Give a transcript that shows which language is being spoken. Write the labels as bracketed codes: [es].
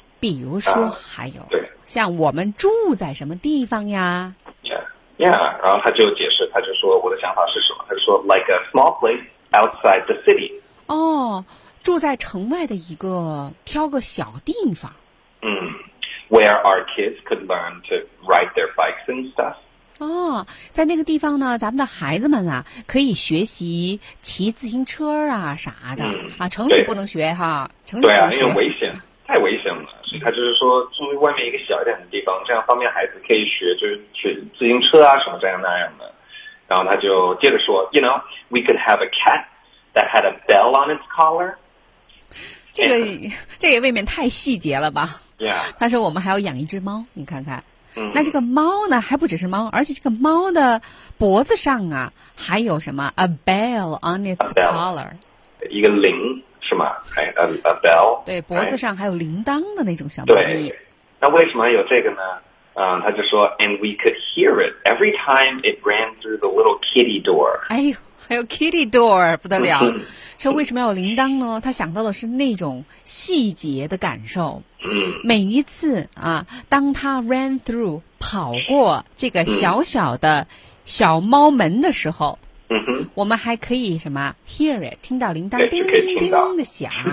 [zh] 比如说还有，对，像我们住在什么地方呀？Yeah， 然后他就解释，他就说我的想法是什么？他就说 [en] like a small place。Outside the city. [zh] 哦，住在城外的一个挑个小地方。 [en] Where our kids could learn to ride their bikes and stuff. [zh] 哦，在那个地方呢，咱们的孩子们啊，可以学习骑自行车啊啥的。啊，城里不能学哈，城里对啊，因为危险，太危险了。所以他就是说，住外面一个小一点的地方，这样方便孩子可以学，就是学自行车啊什么这样那样的。然后他就接着说 [en] ，You know, we could have a cat that had a bell on its collar. [zh] 这个也未免太细节了吧 [en] ？Yeah. [zh] 他说我们还要养一只猫，你看看。嗯。那这个猫呢，还不只是猫，而且这个猫的脖子上啊，还有什么 ？ [en] A bell on its collar. [zh] 一个铃是吗？哎 ， [en] a bell. [zh] 对，脖子上还有铃铛的那种小猫。对。那为什么有这个呢？他就说 [en] ，and we could hear it every time it ran through the little kitty door。 [zh] 哎呦，还有 kitty door， 不得了！说为什么要有铃铛呢？他想到的是那种细节的感受。每一次啊，当他 [en] ran through [zh] 跑过这个小小的小猫门的时候，我们还可以什么 [en] hear it， [zh] 听到铃铛叮叮叮的响。